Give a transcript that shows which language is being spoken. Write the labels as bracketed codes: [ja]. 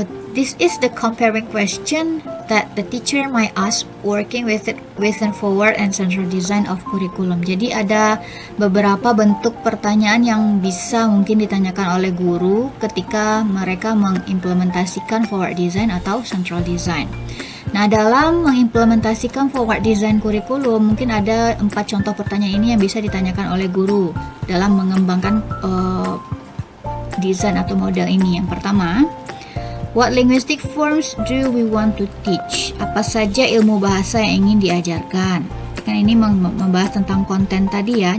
[en] This is the comparing question that the teacher might ask working with it within forward and central design of curriculum. [id] Jadi ada beberapa bentuk pertanyaan yang bisa mungkin ditanyakan oleh guru ketika mereka mengimplementasikan forward design atau central design. Nah, dalam mengimplementasikan forward design curriculum, mungkin ada 4 contoh pertanyaan ini yang bisa ditanyakan oleh guru dalam mengembangkan desain atau model ini. Yang pertama, [en] what linguistic forms do we want to teach? [id] Apa saja ilmu bahasa yang ingin diajarkan? Kan ini membahas tentang konten tadi ya.